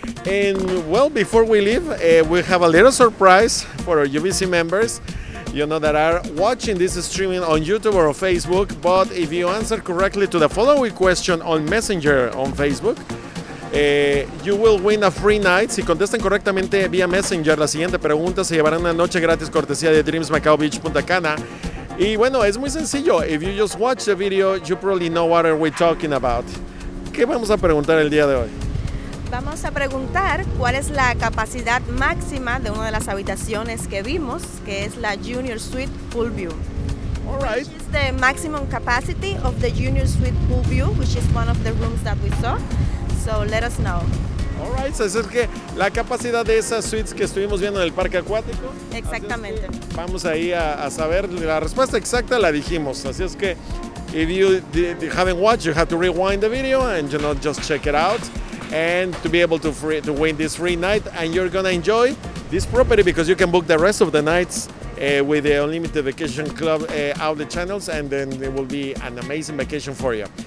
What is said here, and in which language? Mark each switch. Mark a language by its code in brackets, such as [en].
[en] And well, before we leave, we have a little surprise for our UVC members, you know, that are watching this streaming on YouTube or Facebook. But if you answer correctly to the following question on Messenger on Facebook, you will win a free night. [es] Si contestan correctamente vía Messenger la siguiente pregunta, se llevarán una noche gratis cortesía de Dreams Macao Beach Punta Cana. Y bueno, es muy sencillo. [en] If you just watch the video, you probably know what are we talking about. [es] ¿Qué vamos a preguntar el día de hoy? Vamos a preguntar cuál es la capacidad máxima de una de las habitaciones que vimos, que es la Junior Suite Pool View. [en] All right. Which is the maximum capacity of the Junior Suite Pool View, which is one of the rooms that we saw. So let us know. All right, so [es] es que la capacidad de esas suites que estuvimos viendo en el parque acuático. Exactamente. Es que vamos ahí a saber la respuesta exacta, la dijimos. Así es que, [en] if you haven't watched, you have to rewind the video and, you know, just check it out. And to be able to win this free night, and you're going to enjoy this property, because you can book the rest of the nights with the Unlimited Vacation Club outlet channels, and then it will be an amazing vacation for you.